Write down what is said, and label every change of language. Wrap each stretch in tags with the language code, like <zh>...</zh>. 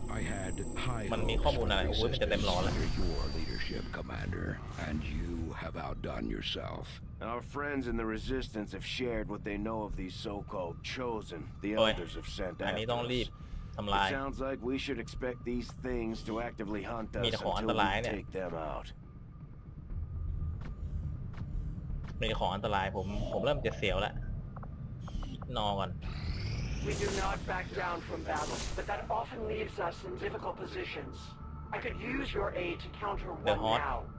<en>i had high</en> <th>มันมีข้อมูลอะไรโอ้ยมันจะเต็มล้อแล้ว</th> <en>your leadership commander and you have outdone yourselfOur friends in the resistance have shared what they know of these so-called chosen. The elders have sent after us.</en> <th>อันนี้ต้องรีบทำลาย</th> <en>It sounds like we should expect these things to actively hunt us until we take them out.</en> <th>มีของอันตรายผมเริ่มจะเสียวแล้วนอนก่อน</th> <en>We do not back down from battle, but that often leaves us in difficult positions. I could use your aid to counter one now.</en>